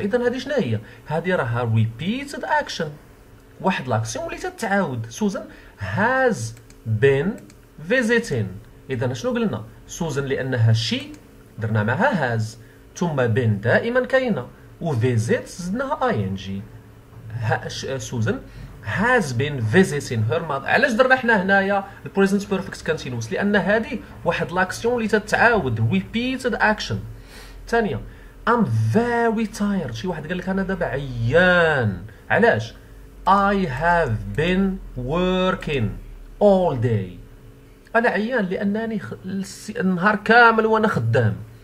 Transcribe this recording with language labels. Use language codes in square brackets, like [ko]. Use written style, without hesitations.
[ar] اذا هذه شنو هي؟ هذه راها ريبيتد اكشن، واحد لاكسيون اللي تتعاود. [en] Susan has been visiting, [ar] اذا شنو قلنا؟ سوزان لانها شي درنا معها هاز، ثم بين دائما كاينه، وفيزيت زدناها اي ان جي. [en] Susan has been visiting her mother. [ar] علاش درنا حنا هنايا البريزنت بيرفكت كونتينوس؟ لان هذه واحد لاكسيون اللي تتعاود، ريبيتد اكشن. ثانيه [en] I'm very tired، [ar] شي واحد قال لك انا دابا عيان، علاش؟ [en] I have been working all day، [ar] انا عيان لانني النهار كامل وانا خدام.